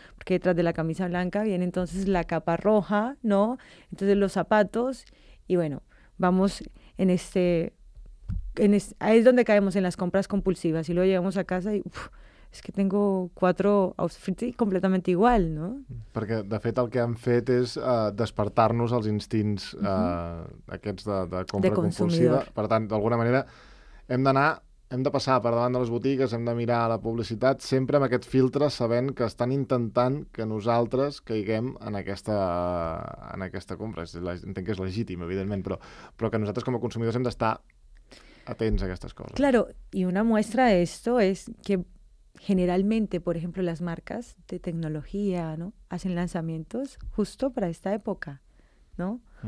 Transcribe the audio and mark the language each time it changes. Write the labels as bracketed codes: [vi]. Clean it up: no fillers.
[es] Porque detrás de la camisa blanca viene entonces la capa roja, ¿no? Entonces los zapatos, y bueno, vamos ahí es donde caemos en las compras compulsivas. Y luego llegamos a casa y es que tengo 4 outfits completamente igual, ¿no? [ca] Perquè, de fet, el que han fet és despertar-nos els instints aquests de compra compulsiva. De consumidor. Per tant, d'alguna manera... hem d'anar, hem de passar per davant de les botigues, hem de mirar la publicitat, sempre amb aquest filtre, sabent que estan intentant que nosaltres caiguem en aquesta compra. Entenc que és legítim, evidentment, però que nosaltres com a consumidors hem d'estar atents a aquestes coses. [es] Claro, y una muestra de esto es que generalmente, por ejemplo, las marcas de tecnología, ¿no?, hacen lanzamientos justo para esta época, ¿no?